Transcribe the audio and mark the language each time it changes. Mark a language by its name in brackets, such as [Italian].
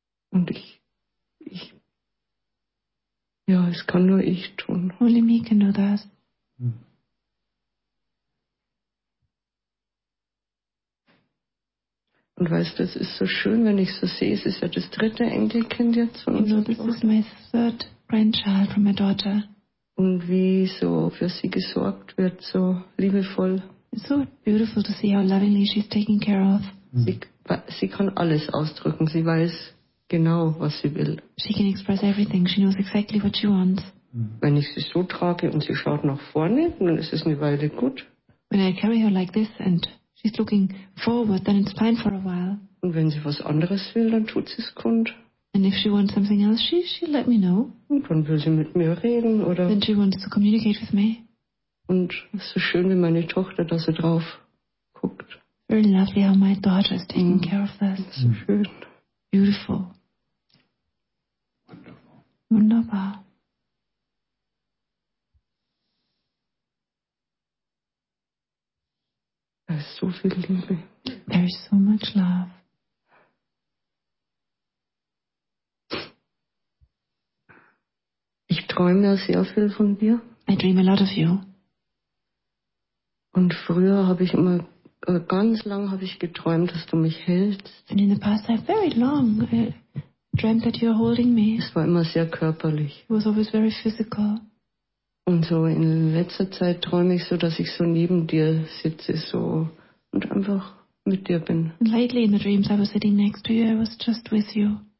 [German] Und ich, ja, es kann nur ich tun. [English] Only me can do that. [German] Und weißt du, es ist so schön, wenn ich so sehe, es ist ja das dritte Enkelkind jetzt von unserer Tochter. [English] This is my third grandchild from my daughter. [German] Und wie so für sie gesorgt wird, so liebevoll. [English] It's so beautiful to see how lovingly she's taken care of. [German] Sie kann alles ausdrücken, sie weiß genau, was sie will. [English] She can express everything. She knows exactly what she wants. [German] Wenn ich sie so trage und sie schaut nach vorne, dann ist es eine Weile gut. [English] When I carry her like this and she's looking forward, then it's fine for a while. [German] Und wenn sie was anderes will, dann tut sie es kund. [English] And if she wants something else, she'll let me know. [German] Und dann will sie mit mir reden, oder? [English] Then she wants to communicate with me. [German] Und es ist so schön, wie meine Tochter, dass sie drauf guckt. [English] Very lovely how my daughter is taking care of this. [German] So schön. [English] Beautiful. [German] Wunderbar. Wunderbar. Da ist so viel Liebe. [English] There is so much love. [German] Ich träume ja sehr viel von dir. [English] I dream a lot of you. [German] Und früher habe ich immer ganz lang habe ich geträumt, dass du mich hältst. [English] And in the past I very long dreamt that you're holding me. [German] Es war immer sehr körperlich. [English] It was always very physical. [German] Und so in letzter Zeit träume ich so, dass ich so neben dir sitze so und einfach mit dir bin. [English] And lately in the dreams I was sitting next to you, I was just with you.